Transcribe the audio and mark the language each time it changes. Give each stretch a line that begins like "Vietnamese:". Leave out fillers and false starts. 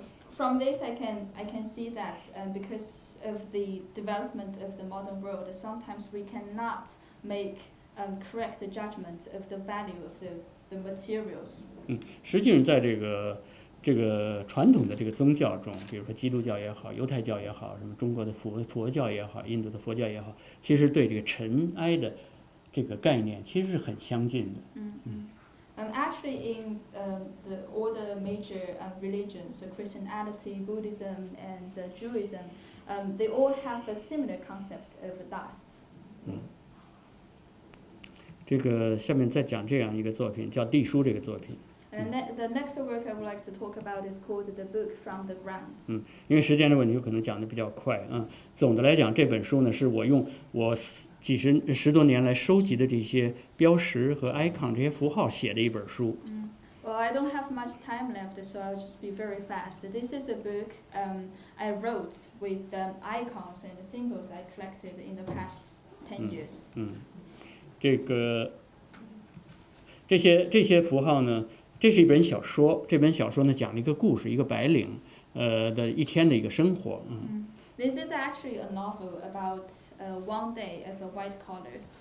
English: From this, I can see that because of the development of the modern world, sometimes we cannot make correct judgment of the value of the materials.
Chinese: 实际上在这个传统的这个宗教中， 比如说基督教也好， 犹太教也好， 什么中国的佛教也好， 印度的佛教也好， 其实对这个尘埃的这个概念其实是很相近的。
English: Actually, in all the major religions, so Christianity, Buddhism, and Judaism, they all have a similar concept of dust.
Chinese: 这个下面再讲这样一个作品，叫《地书》这个作品。
English: And the next work I would like to talk about is called The Book from the Ground.
Chinese: 因为时间的问题，可能讲的比较快啊。总的来讲，这本书呢，是我用我十多年来收集的这些标识和 icon 这些符号写的一本书。
English: Well, I don't have much time left, so I'll just be very fast. This is a book I wrote with the icons and the symbols I collected in the past 10 years.
Chinese: 这些符号呢？这是一本小说，这本小说呢讲了一个故事，一个白领，的一天的一个生活。
English: This is actually a novel about one day of a white collar.